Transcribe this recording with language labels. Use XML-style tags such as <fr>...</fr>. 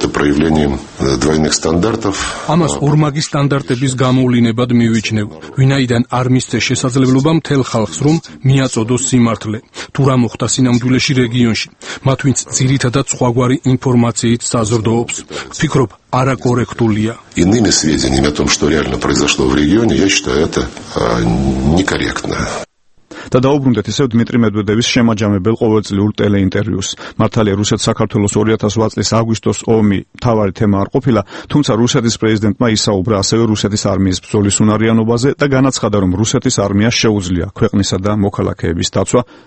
<ka>ამას ორმაგი სტანდარტების გამოვლინებად მივიჩნევ, ვინაიდან არ მისცე შესაძლებლობა მთელ ხალხს, რომ მიაწოდოს სიმართლე. თუ რა მოხდა სინამდვილეში რეგიონში, მათ ვინც ძირითადად სხვაგვარი ინფორმაციით საზრდოობს, ფიქრობ, არა კორექტულია.</ka> <ru>Иными сведениями о том, что реально произошло в регионе, я считаю, это некорректно.</ru> <ka>და დაუბრუნდეთ ისევ დმიტრი მედვედევის შემაჯამებელ ყოველწლიურ ტელეინტერვიუს. მართალია, რუსეთ-საქართველოს 2008 წლის აგვისტოს ომი მთავარი თემა არ ყოფილა, თუმცა რუსეთის პრეზიდენტმა ისაუბრა ასევე რუსეთის არმიის ბრძოლის უნარიანობაზე და განაცხადა, რომ რუსეთის არმიას შეუძლია ქვეყნისა და მოქალაქეების დაცვა.</ka>